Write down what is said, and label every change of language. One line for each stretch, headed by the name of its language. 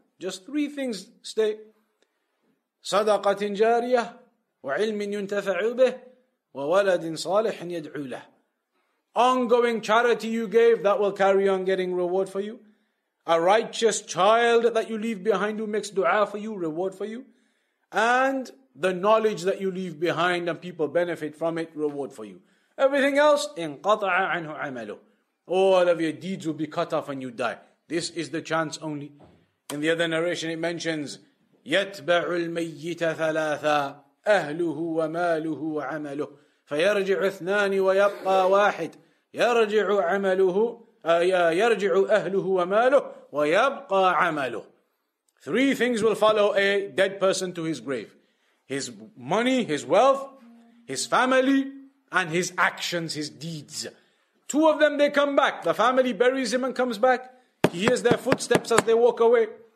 English: Just three things stay.
Arabic: صَدَقَةٍ جَارِيَةٍ وَعِلْمٍ يُنْتَفَعُ بِهِ وَوَلَدٍ صَالِحٍ يَدْعُو لَهِ.
English: Ongoing charity you gave, that will carry on getting reward for you. A righteous child that you leave behind who makes dua for you, reward for you. And the knowledge that you leave behind and people benefit from it, reward for you. Everything else,
Arabic: إِنْقَطَعَ عَنْهُ عَمَلُهُ.
English: All of your deeds will be cut off and you die. This is the chance only. In the other narration it mentions,
Arabic: يَتْبَعُ الْمَيِّتَ ثَلَاثَا أَهْلُهُ وَمَالُهُ وَعَمَلُهُ فَيَرْجِعُ اثْنَانِ وَيَبْقَى وَاحِدٌ يَرْجِعُ عَمَلُهُ يَرْجِعُ أَهْلُهُ وَمَالُهُ وَيَبْقَى عَمَلُهُ.
English: Three things will follow a dead person to his grave. His money, his wealth, his family, and his actions, his deeds. Two of them, they come back. The family buries him and comes back. He hears their footsteps as they walk away.